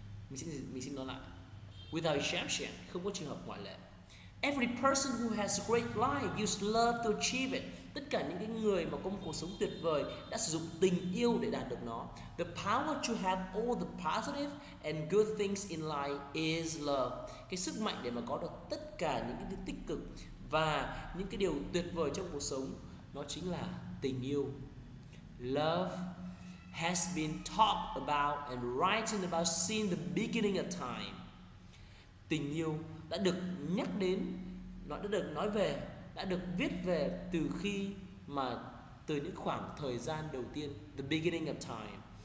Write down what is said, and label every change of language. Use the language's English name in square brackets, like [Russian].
[Vietnamese] Mình xin nói lại, [English] without exception, [Vietnamese] không có trường hợp ngoại lệ. [English] Every person who has a great life use love to achieve it. [Vietnamese] Tất cả những cái người mà có một cuộc sống tuyệt vời đã sử dụng tình yêu để đạt được nó. [English] The power to have all the positive and good things in life is love. [Vietnamese] Cái sức mạnh để mà có được tất cả những cái tích cực và những cái điều tuyệt vời trong cuộc sống, nó chính là tình yêu. [English] Love has been talked about and written about since the beginning of time. [Vietnamese] Tình yêu đã được nhắc đến, nó đã được nói về, đã được viết về từ khi mà, từ những khoảng thời gian đầu tiên, [English] the beginning of time.